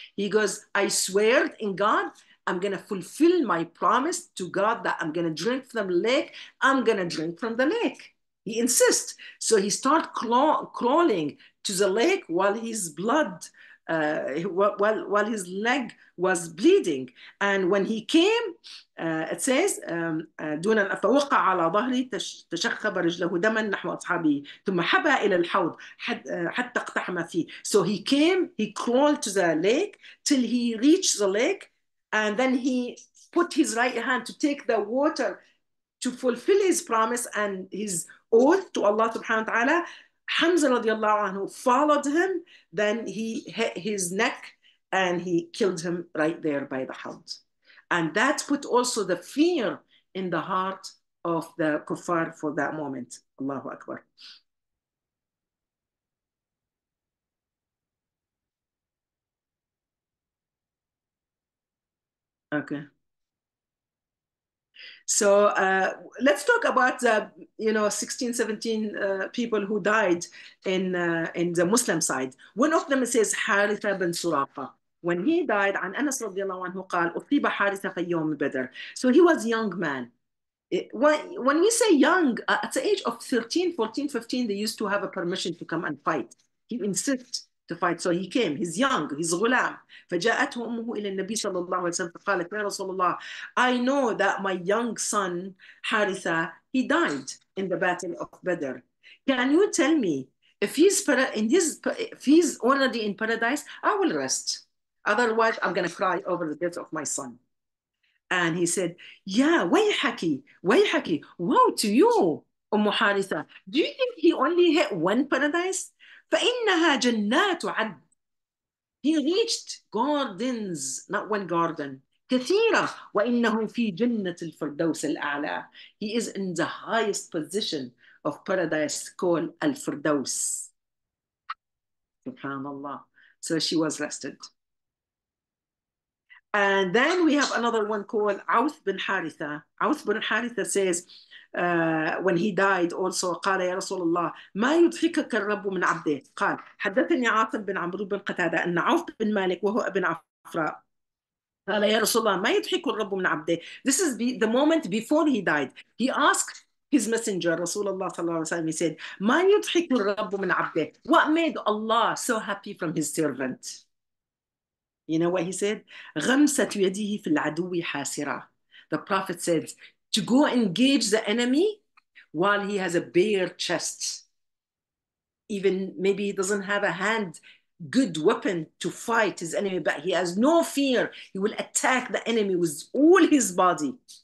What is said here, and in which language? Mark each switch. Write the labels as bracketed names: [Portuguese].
[English] He goes, I swear in God, I'm going to fulfill my promise to God that I'm going to drink from the lake. I'm going to drink from the lake. He insists. So he starts crawling to the lake while his blood, while his leg was bleeding. And when he came, it says, [Arabic] دون أن أتوقع على ظهري تشخب رجله دما نحو أصحابي ثم حبى إلى الحوض حتى اقتحم فيه. [English] So he came, he crawled to the lake till he reached the lake. And then he put his right hand to take the water to fulfill his promise and his oath to Allah subhanahu wa ta'ala. Hamza radiallahu anhu followed him. Then he hit his neck and he killed him right there by the hound. And that put also the fear in the heart of the kuffar for that moment. Allahu Akbar. Okay. So let's talk about, you know, 16, 17 people who died in the Muslim side. One of them says Haritha bin Surafa. When he died, [Arabic] عن أنس رضي الله عنه قال أصيب حارثة في يوم بدر. [English] So he was a young man. When we say young, at the age of 13, 14, 15, they used to have a permission to come and fight. He insists to fight, so he came. He's young, he's غلام. [Arabic] فجاءته أمه إلى النبي صلى الله عليه وسلم فقالت يا رسول الله, [English] I know that my young son Haritha, he died in the battle of Badr. Can you tell me if he's already in paradise, I will rest. Otherwise, I'm going to cry over the death of my son. And he said, yeah, [Arabic] ويحكي, ويحكي. [English] Wow to you, أم حارثة. Do you think he only hit one paradise? [Arabic] فإنها جنات عد. [English] He reached gardens, not one garden. [Arabic] كثيرة. وإنه في جنة الفردوس الأعلى. [English] He is in the highest position of paradise called الفردوس. سبحان الله. So she was rested. And then we have another one called Awth bin Haritha. Awth bin Haritha says, when he died also, [Arabic] قال يا رسول الله ما يضحكك الرب من عبده. قال حدثني عاصم بن عمرو بن قتادة أن عوف بن مالك وهو ابن عفراء. قال يا رسول الله ما يضحك الرب من عبده. [English] This is the moment before he died. He asked his messenger, رسول الله صلى الله عليه وسلم, he said, [Arabic] ما يضحك الرب من عبده. [English] What made Allah so happy from his servant? You know what he said? [Arabic] غمسة يديه في العدو حاسرة. [English] The Prophet said, to go engage the enemy while he has a bare chest. Even maybe he doesn't have a hand good weapon to fight his enemy, but he has no fear. He will attack the enemy with all his body.